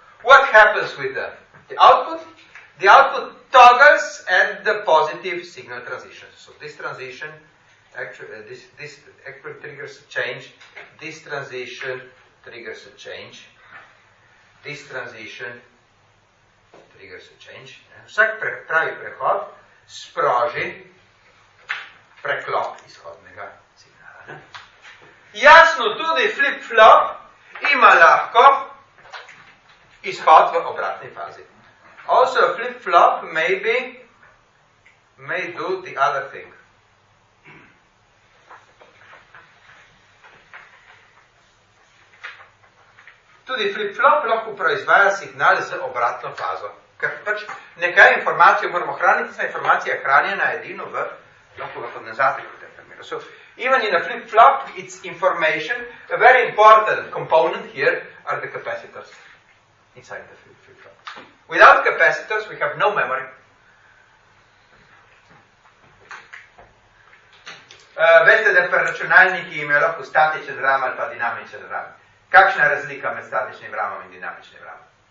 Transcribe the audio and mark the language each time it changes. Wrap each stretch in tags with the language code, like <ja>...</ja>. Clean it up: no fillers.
<en>What happens with the output? The output toggles at the positive signal transition. So this transition, actually triggers a change, this transition triggers a change. This transition triggers a change.</en> <sl>Vsak pravi prehod sproži preklop izhodnega signala. Jasno, tudi flip-flop ima lahko izhod v obratni fazi.</sl> <en>Also, flip-flop maybe may do the other thing.</en> <sl>Tudi flip-flop lahko proizvaja signal z obratno fazo. Ker pač nekaj informacije moramo hraniti, ta informacija hranjena edino v lahko v kondenzatorju v tem primeru.</sl> <en>So, even in a flip-flop, it's information, a very important component here are the capacitors inside the flip-flop. Without capacitors, we have no memory.</en> <sl>Veste, da pri računalniki ima lahko statičen RAM ali pa dinamičen RAM. Kakšna je razlika med statičnim RAM-om in dinamičnim RAM-om?</sl>